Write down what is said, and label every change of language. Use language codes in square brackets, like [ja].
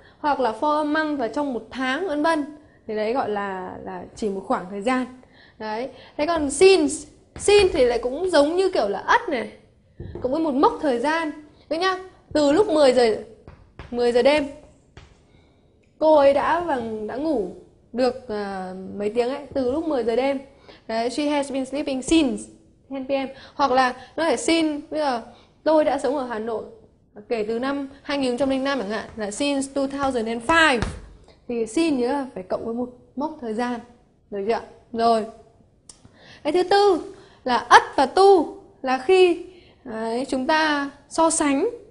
[vi] Hoặc là [en] for a month, [vi] và trong một tháng, vân vân. Thì đấy gọi là chỉ một khoảng thời gian. Đấy. Thế còn since, thì lại cũng giống như kiểu là ất này, cũng với một mốc thời gian. Đấy nhá, từ lúc 10 giờ 10 giờ đêm cô ấy đã ngủ được mấy tiếng ấy, từ lúc 10 giờ đêm. [en] Đấy, she has been sleeping since 10 p.m. [vi] Hoặc là nó phải since, bây giờ tôi đã sống ở Hà Nội kể từ năm 2005 chẳng hạn, là [en] since 2005. [vi] Thì xin nhớ là phải cộng với một mốc thời gian. Được chưa? Rồi. Cái thứ tư là ất và tu, là khi đấy, chúng ta so sánh.